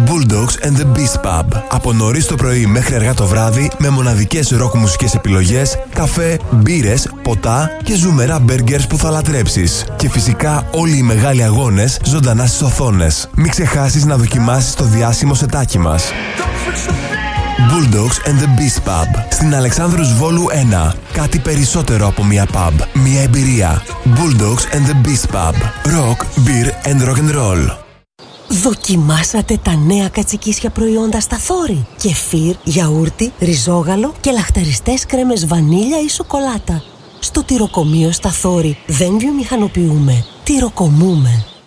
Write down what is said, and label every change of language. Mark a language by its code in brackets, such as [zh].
[el] Bulldogs and the Beast Pub. Από νωρίς το πρωί μέχρι αργά το βράδυ, με μοναδικές ροκ μουσικές επιλογές, καφέ, μπύρες, ποτά και ζουμερά μπέργκερς που θα λατρέψεις. Και φυσικά όλοι οι μεγάλοι αγώνες ζωντανά στις οθόνες. Μην ξεχάσεις να δοκιμάσεις το διάσημο σετάκι μας. Bulldogs and the Beast Pub. Στην Αλεξάνδρους Βόλου 1. Κάτι περισσότερο από μια pub. Μια εμπειρία. Bulldogs and the Beast Pub. [en] Rock, beer and rock and roll. [el] Δοκιμάσατε τα νέα κατσικίσια προϊόντα στα Θόρη? Κεφίρ, γιαούρτι, ριζόγαλο και λαχταριστές κρέμες βανίλια ή σοκολάτα. Στο τυροκομείο στα Θόρη δεν βιομηχανοποιούμε, τυροκομούμε.